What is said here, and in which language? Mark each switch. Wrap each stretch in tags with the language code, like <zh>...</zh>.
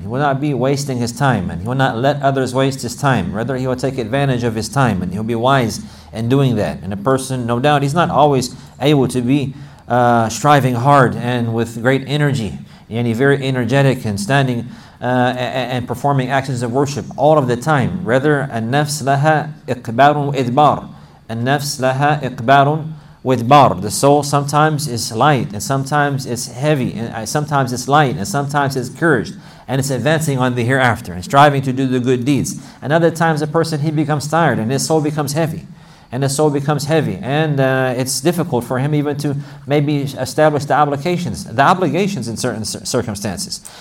<en>He will not be wasting his time, and he will not let others waste his time. Rather, he will take advantage of his time, and he'll be wise in doing that. And a person, no doubt, he's not always able to be striving hard and with great energy, and he's very energetic and standing and performing actions of worship all of the time. Rather,</en> <ar>النفس لها إقبار وإدبار. النفس لها إقبار وإدبار.</ar> <en>The soul sometimes is light and sometimes it's heavy, and sometimes it's light and sometimes it's encouraged, and it's advancing on the hereafter and striving to do the good deeds. And other times a person, he becomes tired and his soul becomes heavy. And the soul becomes heavy, and it's difficult for him even to maybe establish the obligations in certain circumstances.</en>